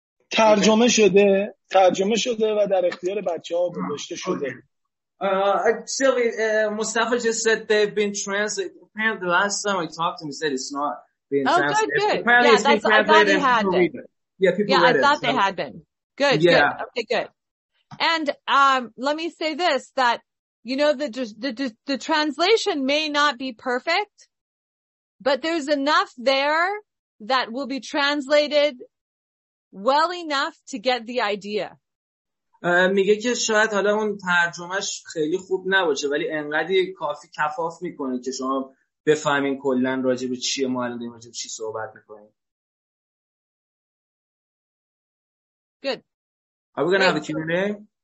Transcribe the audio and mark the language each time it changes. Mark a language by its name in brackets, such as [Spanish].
[Persian] ترجمه شده، ترجمه شده و در اختیار بچه‌ها گذاشته شده. [English] Actually, Mustafa just said they've been translated. Apparently, the last time I talked to him, he said it's not being translated. Oh, good. Apparently, yeah, that's, I thought they had been. Yeah, people read it. Good. Okay, good. And let me say this: that you know, the translation may not be perfect. But there's enough there that will be translated well enough to get the idea. [Persian] میگه که شاید حالا اون ترجمهش خیلی خوب نباشه ولی انقدر کافی کفاف میکنه که شما به بفهمین کلن راجع به چیه ما الان داریم راجع به چی صحبت میکنیم. [English] Good. Are we going to have a Q&A?